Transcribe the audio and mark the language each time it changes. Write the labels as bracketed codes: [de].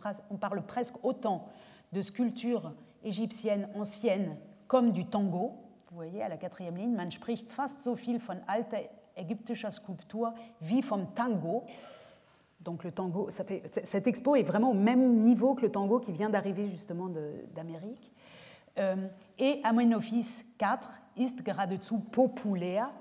[fr] On parle presque autant de sculptures égyptiennes anciennes comme du tango. Vous voyez à la quatrième ligne, [de] man spricht fast so viel von alter ägyptischer Skulptur wie vom Tango. [fr] Donc le tango, ça fait, cette expo est vraiment au même niveau que le tango qui vient d'arriver justement d'Amérique. [de] Et Amenophis IV ist geradezu populär.